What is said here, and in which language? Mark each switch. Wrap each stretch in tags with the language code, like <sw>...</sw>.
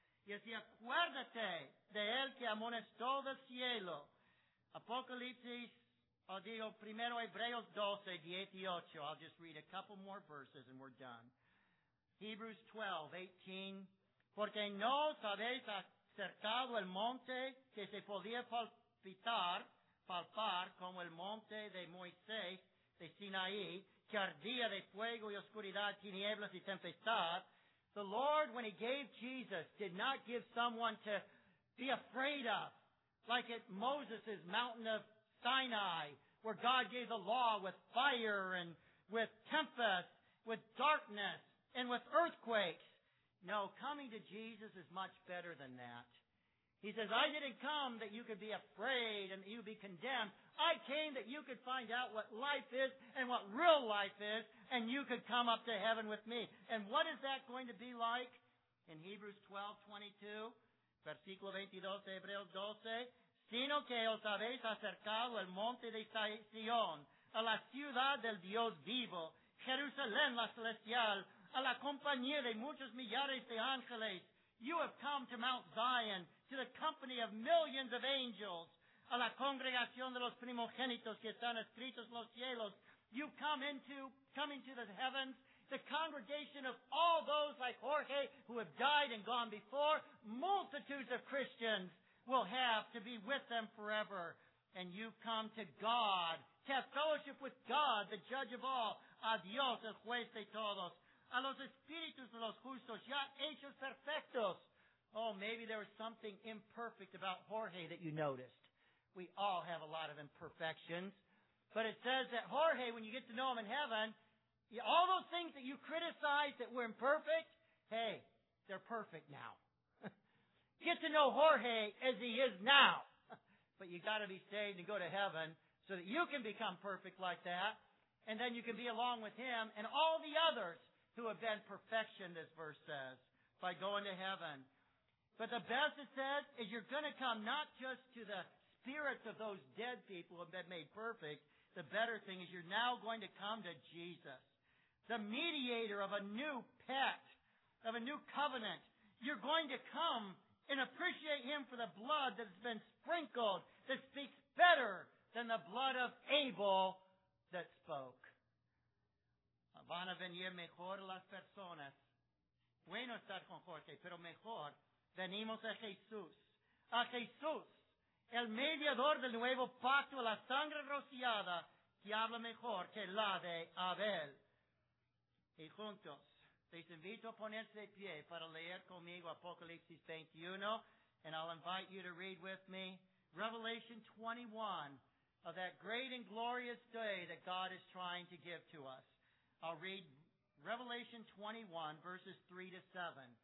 <es>Y así acuérdate de él que amonestó del cielo. Apocalipsis, o digo, primero Hebreos 12, 18.</es> <en>I'll just read a couple more verses and we're done. Hebrews 12, 18.</en> <es>Porque no sabéis acercado el monte que se podía palpar como el monte de Moisés de Sinaí, que ardía de fuego y oscuridad, tinieblas y tempestad.</es> <en>The Lord, when he gave Jesus, did not give someone to be afraid of, like at Moses' mountain of Sinai, where God gave the law with fire and with tempest, with darkness, and with earthquakes. No, coming to Jesus is much better than that. He says, I didn't come that you could be afraid and that you'd be condemned. I came that you could find out what life is and what real life is, and you could come up to heaven with me. And what is that going to be like? In Hebrews 12, 22,</en> <es>versículo 22 de Hebreos 12, sino que os habéis acercado al monte de Sion, a la ciudad del Dios vivo, Jerusalén la celestial, a la compañía de muchos millares de ángeles.</es> <en>You have come to Mount Zion, to the company of millions of angels,</en> <es>a la congregación de los primogénitos que están escritos en los cielos.</es> <en>You come into the heavens, the congregation of all those like Jorge who have died and gone before. Multitudes of Christians will have to be with them forever. And you come to God, to have fellowship with God, the judge of all.</en> <es>A Dios, el juez de todos. A los espíritus de los justos, ya hechos perfectos.</es> <en>Oh, maybe there was something imperfect about Jorge that you noticed. We all have a lot of imperfections. But it says that Jorge, when you get to know him in heaven, all those things that you criticize that were imperfect, hey, they're perfect now. get to know Jorge as he is now. But you got to be saved and go to heaven so that you can become perfect like that. And then you can be along with him and all the others who have been perfection, this verse says, by going to heaven. But the best it says is you're going to come not just to the spirits of those dead people who have been made perfect. The better thing is you're now going to come to Jesus, the mediator of a new pact, of a new covenant. You're going to come and appreciate him for the blood that's been sprinkled that speaks better than the blood of Abel that spoke.</en> <es>Van a venir mejor las personas. Bueno estar con Jorge, pero mejor venimos a Jesús. A Jesús, el mediador del nuevo pacto, la sangre rociada, que habla mejor que la de Abel. Y juntos, les invito a ponerse de pie para leer conmigo Apocalipsis 21,</es> <en>and I'll invite you to read with me Revelation 21, of that great and glorious day that God is trying to give to us. I'll read Revelation 21, verses 3 to 7.</en>